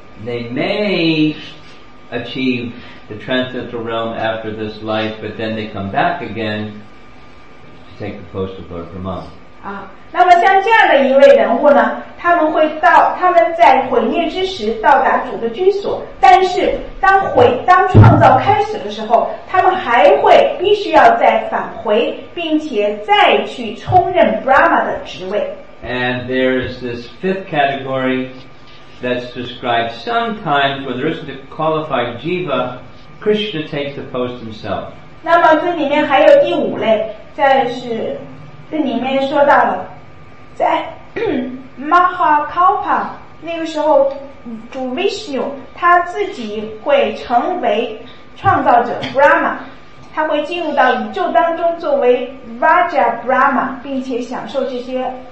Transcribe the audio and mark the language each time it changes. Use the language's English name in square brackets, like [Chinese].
[English] They may achieve the transcendental realm after this life, but then they come back again to take the post of Lord Brahma. [Chinese] 那么像这样的一位人物呢，他们在毁灭之时到达主的居所，但是当创造开始的时候，他们还会必须要再返回，并且再去充任 Brahma 的职位。 [English] And there is this fifth category. That's described sometimes when there isn't a qualified jiva, Krishna takes the post himself. [Chinese] 那么这里面还有第五类，这里面说到了，在 Mahakalpa 那个时候，主 Vishnu 他自己会成为创造者 Brahma， 他会进入到宇宙当中作为 Raja Brahma， 并且享受这些。